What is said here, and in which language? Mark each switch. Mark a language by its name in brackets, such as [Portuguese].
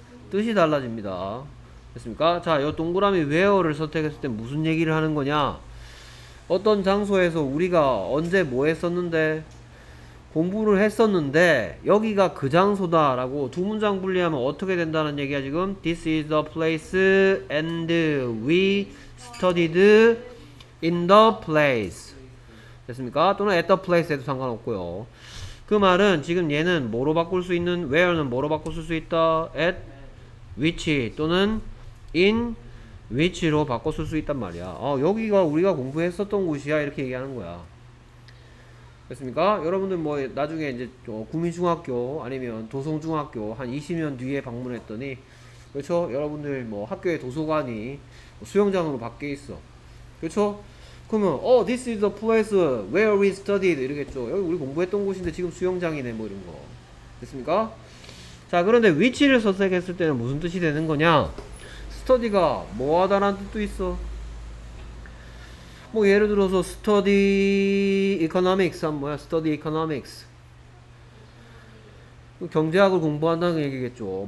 [Korean] 뜻이 달라집니다. 됐습니까? 자, 요 동그라미 where를 선택했을 때 무슨 얘기를 하는 거냐? 어떤 장소에서 우리가 언제 뭐 했었는데, 공부를 했었는데, 여기가 그 장소다 라고 두 문장 분리하면 어떻게 된다는 얘기야 지금? [English] This is the place and we studied in the place. [Korean] 됐습니까? 또는 at the place에도 상관없고요. 그 말은 지금 얘는 뭐로 바꿀 수 있는, where는 뭐로 바꿀 수 있다? at which 또는 in which로 바꿨을 수 있단 말이야. 아, 여기가 우리가 공부했었던 곳이야 이렇게 얘기하는 거야. 됐습니까? 여러분들 뭐 나중에 이제 구민중학교 아니면 도성중학교 한 20년 뒤에 방문했더니, 그렇죠? 여러분들 뭐 학교의 도서관이 수영장으로 바뀌어 있어. 그렇죠? 그러면 [English] oh, this is the place where we studied [Korean] 이러겠죠. 여기 우리 공부했던 곳인데 지금 수영장이네 뭐 이런 거. 됐습니까? 자, 그런데 위치를 선택했을 때는 무슨 뜻이 되는 거냐? 스터디가 뭐하다라는 뜻도 있어. 뭐 예를 들어서 스터디 이코노믹스 하면 뭐야? 스터디 이코노믹스 경제학을 공부한다는 얘기겠죠.